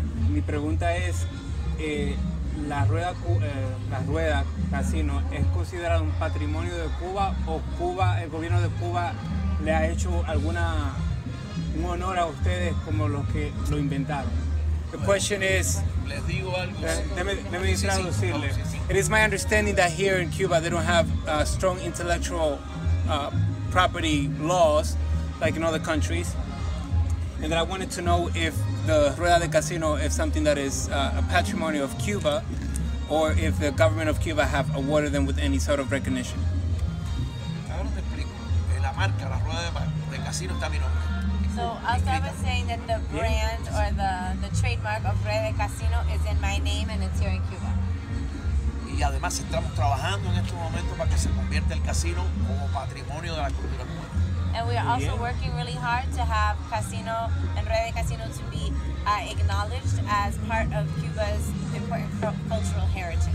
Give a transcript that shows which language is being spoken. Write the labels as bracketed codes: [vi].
[es] Mi pregunta es, la rueda casino, ¿es considerado un patrimonio de Cuba o Cuba, el gobierno de Cuba le ha hecho un honor a ustedes como los que lo inventaron? [en] The question is, it is my understanding that here in Cuba they don't have strong intellectual property laws like in other countries, and that I wanted to know if the Rueda de Casino is something that is a patrimony of Cuba, or if the government of Cuba have awarded them with any sort of recognition. [es] Ahora te explico. La marca, la Rueda de Casino está mi nombre. [en] So I'll start by saying that the brand or the trademark of Rueda de Casino is in my name and it's here in Cuba. [es] Y además estamos trabajando en estos momentos para que se convierta el casino como patrimonio de la cultura cubana. [en] And we are also working really hard to have casino and Rueda de Casino to be acknowledged as part of Cuba's important cultural heritage.